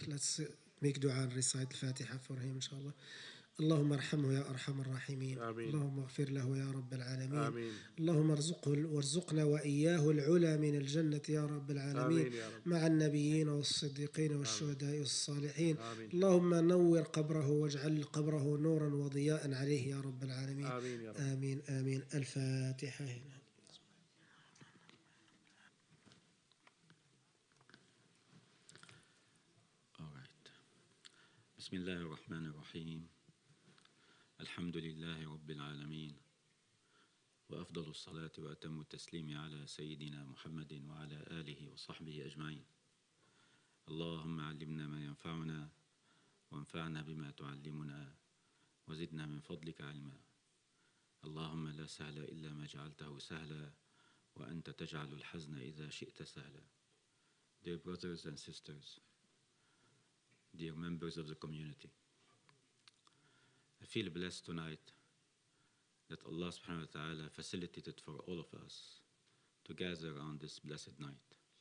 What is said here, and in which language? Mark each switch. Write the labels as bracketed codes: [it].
[en] Let's make dua and recite Fatiha for him, inshallah. [ar] اللهم ارحمه يا أرحم الراحمين آمين. اللهم اغفر له يا رب العالمين آمين. اللهم ارزقنا وإياه العلا من الجنة يا رب العالمين يا رب. مع النبيين والصديقين والشهداء آمين. والصالحين آمين. اللهم نور قبره واجعل قبره نورا وضياء عليه يا رب العالمين آمين يا رب. آمين, آمين. الفاتحة هنا. [en] Alright. [ar] بسم الله الرحمن الرحيم الحمد لله رب العالمين وأفضل الصلاة وأتم التسليم على سيدنا محمد وعلى آله وصحبه أجمعين اللهم علمنا ما ينفعنا وانفعنا بما تعلمنا وزدنا من فضلك علما اللهم لا سهل إلا ما جعلته سهلا وأنت تجعل الحزن إذا شئت سهلا. [en] Dear brothers and sisters, dear members of the community, I feel blessed tonight that Allah subhanahu wa ta'ala facilitated for all of us to gather on this blessed night.